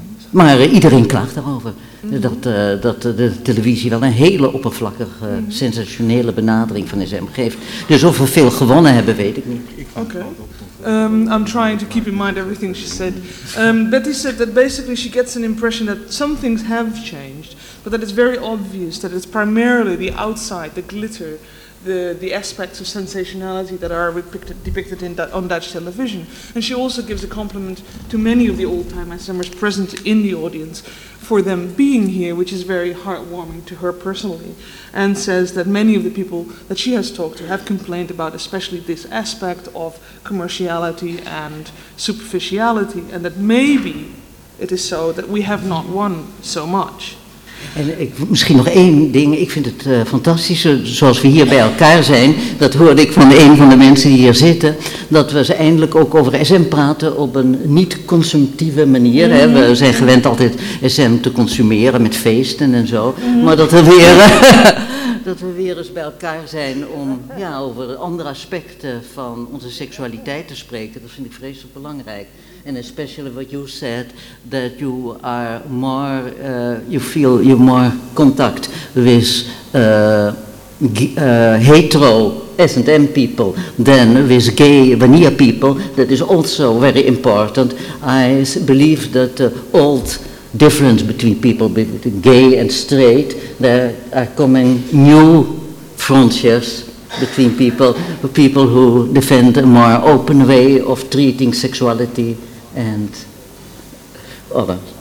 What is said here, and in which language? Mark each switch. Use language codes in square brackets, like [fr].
[nl] Maar iedereen klaagt erover. Mm-hmm. Dat de televisie wel een hele oppervlakkige, mm-hmm. sensationele benadering van SM geeft. Dus of we veel gewonnen hebben, weet ik niet. Oké. [en] I'm trying to keep in mind everything she said. Betty said that basically she gets an impression that some things have changed, but that it's very obvious that it's primarily the outside, the glitter, the aspects of sensationality that are depicted in on Dutch television. And she also gives a compliment to many of the old-time SM'ers present in the audience for them being here, which is very heartwarming to her personally, and says that many of the people that she has talked to have complained about especially this aspect of commerciality and superficiality, and that maybe it is so that we have not won so much. [nl] En ik, misschien nog één ding. Ik vind het fantastisch, zoals we hier bij elkaar zijn. Dat hoorde ik van een van de mensen die hier zitten. Dat we ze eindelijk ook over SM praten op een niet-consumptieve manier. Mm-hmm. Hè. We zijn gewend altijd SM te consumeren met feesten en zo. Mm-hmm. Maar dat we weer... Dat we weer eens bij elkaar zijn om ja, over andere aspecten van onze seksualiteit te spreken. Dat vind ik vreselijk belangrijk. [en] And especially what you said, that you are more, you feel you more contact with hetero S&M people than with gay vanilla people. That is also very important. I believe that the old difference between people, between gay and straight, there are coming new frontiers between people who defend a more open way of treating sexuality and others.